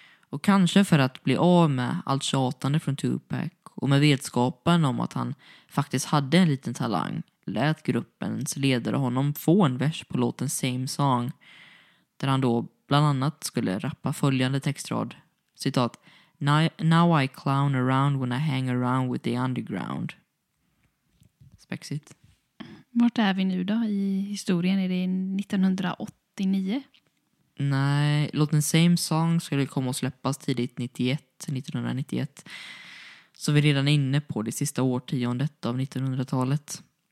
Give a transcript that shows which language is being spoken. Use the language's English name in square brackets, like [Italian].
[Swedish] Och kanske för att bli av med allt tjatande från Tupac och med vetskapen om att han faktiskt hade en liten talang lät gruppens ledare honom få en vers på låten Same Song där han då Bland annat skulle rappa följande textrad. Citat. [English] Now I clown around when I hang around with the underground. [Swedish] Spexigt. Vart är vi nu då i historien? Är det 1989? Nej, Låt den same song skulle komma och släppas tidigt 1991. Så vi är redan inne på det sista årtiondet av 1900-talet.